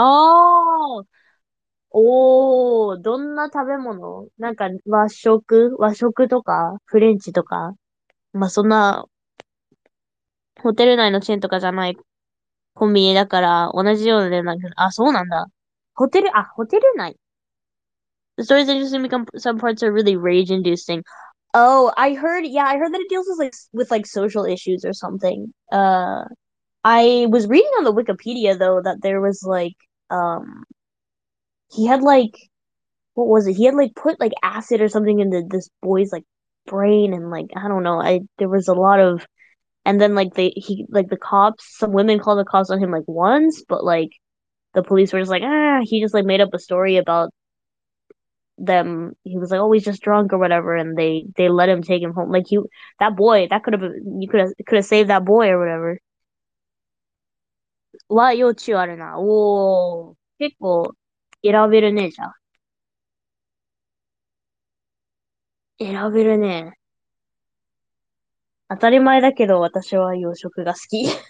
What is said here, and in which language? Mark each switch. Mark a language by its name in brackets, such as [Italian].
[Japanese] おーおー、どんな食べ物？なんか和食とかフレンチとか、まあ、そんなホテル内のチェーンとかじゃないコンビニだから同じような値段で、あ、そうなんだ。ホテル内。 [English] The stories that just become some parts are really rage inducing. Oh, I heard that it deals with social issues or something. I was reading on the Wikipedia, though, that there was, like, he had, like, what was it? He had, like, put, like, acid or something into this boy's, like, brain, and, like, I don't know, there was a lot of, and then, like, some women called the cops on him, like, once, but, like, the police were just like, ah, he just, like, made up a story about,them he was like, oh, he's just drunk or whatever, and they let him take him home. Like, you, that boy, that could have been, you could have saved that boy or whatever. [Japanese] わ、幼稚あるな。おー、結構選べるねじゃ。選べるね。当たり前だけど、私は洋食が好き。